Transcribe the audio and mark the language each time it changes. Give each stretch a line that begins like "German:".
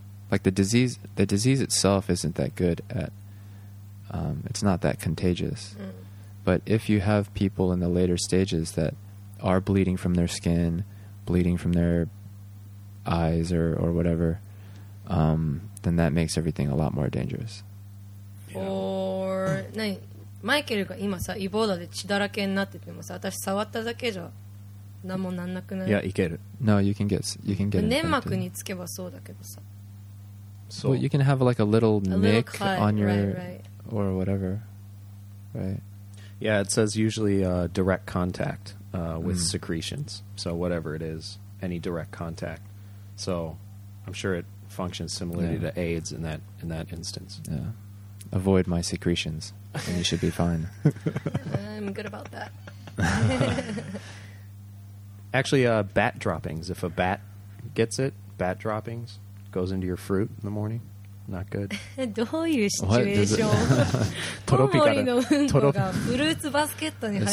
English: Like the disease itself isn't that good at, it's not that contagious. Mm. But if you have people in the later stages that are bleeding from their skin, bleeding from their eyes or whatever, then that makes everything a lot more dangerous. Yeah.
Japanese: Or, ないマイケルが今さイボーダで血だらけになっててもさ私触っただけじゃ何もなんなくない。いやいける。
English: No, you can get
Japanese: 粘膜につけばそうだけどさ。
English: So you can have like a little nick on your right. or whatever, right? Yeah, it says usually direct contact with secretions. So whatever it is, any direct contact. So I'm sure it functions similarly to AIDS in that instance. Yeah. Avoid my secretions and you should be fine. I'm good about that. Actually, bat droppings. If a bat gets it, bat droppings goes into your fruit in the morning. Not good.
Japanese: どういうシチュエーション? トロピカル。コウモリの運動がフルーツバスケットに入って